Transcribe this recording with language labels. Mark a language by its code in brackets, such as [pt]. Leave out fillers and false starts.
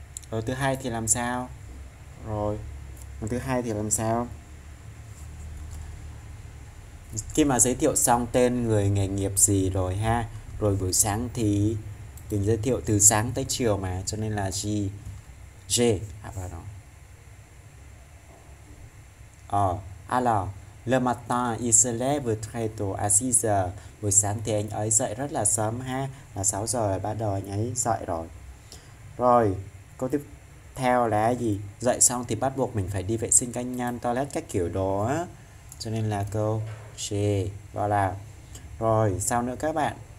[vi] Rồi thứ hai thì làm sao? Rồi. Thứ hai thì làm sao? Khi mà giới thiệu xong tên người nghề nghiệp gì rồi ha. Rồi buổi sáng thì mình giới thiệu từ sáng tới chiều mà, cho nên là gì? [fr] J. À, pardon. Alors, le matin, il se lève très tôt à 6 giờ. [vi] Buổi sáng thì anh ấy dậy rất là sớm ha. Là 6 giờ bắt đầu anh ấy dậy rồi. Rồi, câu tiếp theo là gì? Dậy xong thì bắt buộc mình phải đi vệ sinh cá nhân, toilet các kiểu đó á. Cho nên là câu J. Gọi là. Rồi, sao nữa các bạn?